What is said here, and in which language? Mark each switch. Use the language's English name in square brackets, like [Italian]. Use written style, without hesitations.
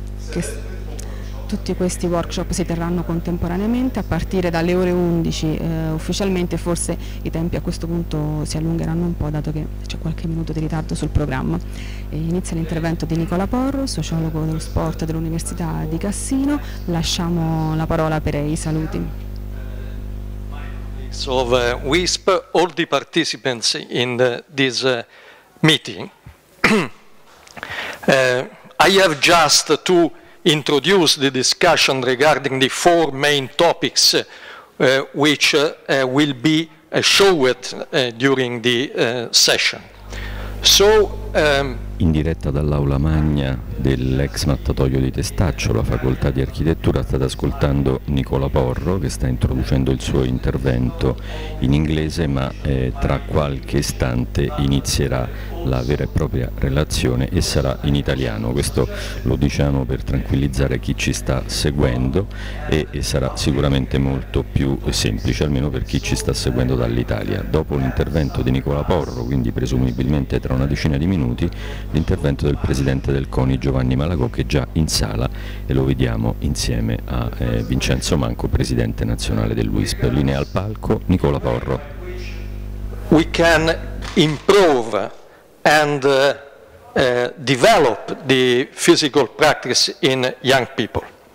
[Italian] Tutti questi workshop si terranno contemporaneamente a partire dalle ore 11 ufficialmente, forse i tempi a questo punto si allungheranno un po' dato che c'è qualche minuto di ritardo sul programma. E inizia l'intervento di Nicola Porro, sociologo dello sport dell'Università di Cassino. Lasciamo la parola per i saluti. [English] So WISP, all the participants in this meeting. I have just to introduce the discussion regarding the 4 main topics which will be showed during the session. So, [Italian] in diretta dall'aula magna dell'ex mattatoio di Testaccio, la facoltà di architettura, state ascoltando Nicola Porro che sta introducendo il suo intervento in inglese, ma tra qualche istante inizierà la vera e propria relazione e sarà in italiano. Questo lo diciamo per tranquillizzare chi ci sta seguendo e sarà sicuramente molto più semplice, almeno per chi ci sta seguendo dall'Italia. Dopo l'intervento di Nicola Porro, quindi presumibilmente tra una decina di minuti, l'intervento del presidente del CONI Giovanni Malagò, che è già in sala e lo vediamo insieme a Vincenzo Manco, presidente nazionale dell'UISP. Linea al palco, Nicola Porro. [English] We can improve and develop the physical practice in young people.